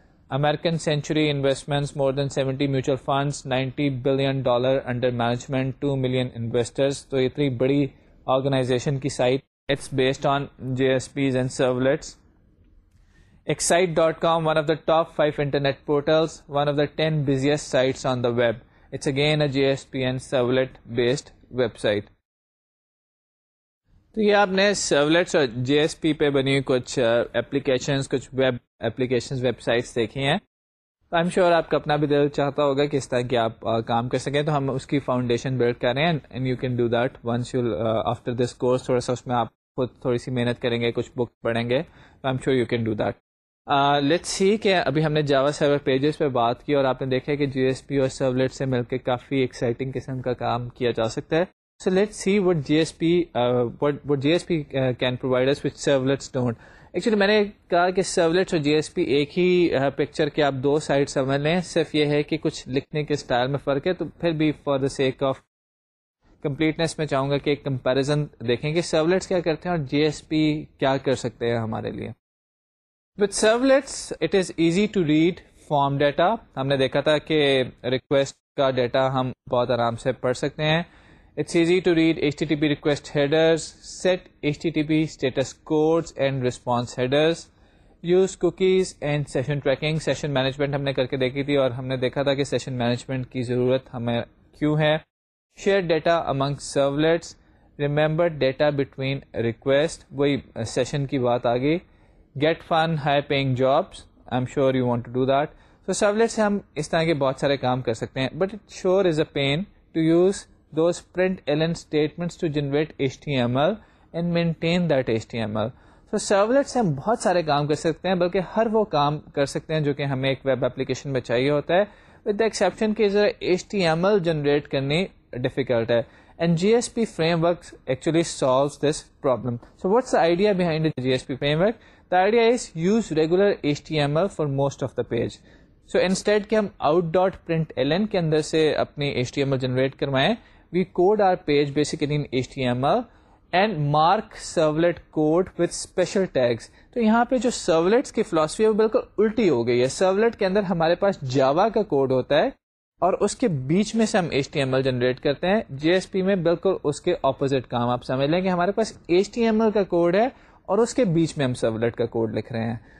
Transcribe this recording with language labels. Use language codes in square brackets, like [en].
[en] American century investments, more than 70 mutual funds, $90 billion under management, 2 million investors. [ur] تو اتنی بڑی organization کی site, [en] It's based on J S Ps and servlets. excite.com, one of the top 5 internet portals, one of the 10 busiest sites on the web. It's again a JSPN servlet based website. [ur] تو یہ آپ نے سرولیٹس اور جی S P پہ بنی ہوئی کچھ applications, کچھ ویب اپلیکیشنس, ویب سائٹس دیکھی ہیں. [en] I'm sure [ur] آپ کا اپنا بھی دل چاہتا ہوگا کہ اس طرح کی آپ کام کر سکیں, تو ہم اس کی فاؤنڈیشن بلڈ کر رہے ہیں. [en] And you can do that once you after this course. [ur] تھوڑا سا اس میں آپ خود تھوڑی سی محنت کریں گے, کچھ بک پڑھیں گے, [en] تو I'm sure you can do that. Let's see [ur] کہ ابھی ہم نے جاوا سرور پیجز پہ بات کی, اور آپ نے دیکھا کہ جی ایس پی اور سرولیٹ سے مل کے کافی ایکسائٹنگ قسم کا کام کیا جا سکتا ہے. [en] So let's see what G S P can provide us which servlets don't. [ur] Actually میں نے کہا کہ سرولیٹس اور جی ایس پی ایک ہی پکچر کے آپ دو سائڈ سمجھ لیں, صرف یہ ہے کہ کچھ لکھنے کے اسٹائل میں فرق ہے. تو پھر بھی [en] for the sake of completeness [ur] میں چاہوں گا کہ ایک کمپیرزن دیکھیں کہ سرولیٹس کیا کرتے ہیں اور جی ایس پی کیا کر سکتے ہیں ہمارے لیے. [en] With servlets, it is easy to read form data. [ur] ہم نے دیکھا تھا کہ ریکویسٹ کا ڈیٹا ہم بہت آرام سے پڑھ سکتے ہیں. [en] It's easy to read HTTP request headers, set HTTP status codes and response headers, use cookies and session tracking. [ur] Session management ہم نے کر کے دیکھی تھی, اور ہم نے دیکھا تھا کہ session management کی ضرورت ہمیں کیوں ہے. [en] Share data among servlets, remember data between request. [ur] وہی session کی بات آ گئی. [en] Get fun, high-paying jobs. I'm sure you want to do that. [ur] So, servlets سے ہم اس طرح کے بہت سارے کام کر سکتے ہیں. [en] But it sure is a pain to use those println statements to generate HTML and maintain that HTML. [ur] So, servlets سے ہم بہت سارے کام کر سکتے ہیں, بلکہ ہر وہ کام کر سکتے ہیں جو کہ ہمیں ایک ویب اپلیکیشن میں چاہیے ہوتا ہے, [en] with the exception [ur] کہ ذرا HTML generate کرنی difficult ہے. [en] And GSP frameworks actually solves this problem. So, what's the idea behind the GSP framework? The idea is use regular HTML for most of the page. So instead [ur] کہ ہم out.println کے اندر سے اپنی HTML generate کروائیں, [en] we code our page basically in HTML and mark servlet code with special tags. [ur] تو یہاں پہ جو سرولیٹس کی فلاسفی ہے وہ بالکل الٹی ہو گئی ہے. سرولیٹ کے اندر ہمارے پاس جاوا کا کوڈ ہوتا ہے, اور اس کے بیچ میں سے ہم HTML جنریٹ کرتے ہیں. جی ایس پی میں بالکل اس کے opposite کام. آپ سمجھ لیں کہ ہمارے پاس HTML کا کوڈ ہے اور اس کے بیچ میں ہم سرولیٹ کا کوڈ لکھ رہے ہیں.